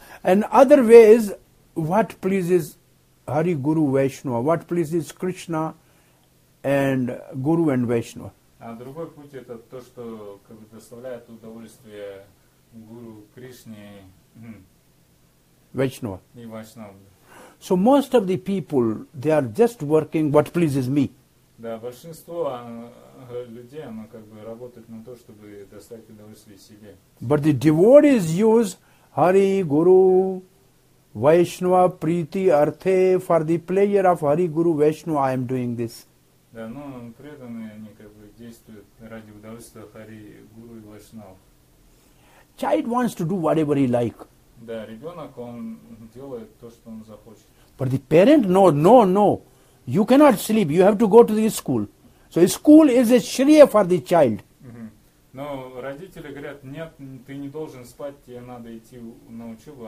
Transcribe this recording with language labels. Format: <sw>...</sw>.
<en>And other way is what pleases Hari Guru Vaishnava, what pleases Krishna and Guru and Vaishnava.</en> <ru>А другой путь это то, что как бы доставляет удовольствие Гуру Кришне.</ru> <en>Vaishnava.</en> <ru>И Vaishnava.</ru> <en>So most of the people, they are just working what pleases me.</en> <ru>Да, большинство людей, оно как бы работает на то, чтобы достать удовольствие себе.</ru> <en>But the devotees use Hari, Guru, Vaishnava,</en> <sa>Priti, Arthe</sa> <en>for the pleasure of Hari, Guru, Vaishnava, I am doing this.</en> <ru>Да, но преданные, они как бы действуют ради удовольствия Hari, Guru и Vaishnava.</ru> <en>Child wants to do whatever he like.</en> <ru>Да, ребенок, он делает то, что он захочет.</ru> <en>But the parent, no. You cannot sleep, you have to go to the school. So school is a shriya for the child.</en> <ru>Но родители говорят, нет, ты не должен спать, тебе надо идти на учебу.</ru>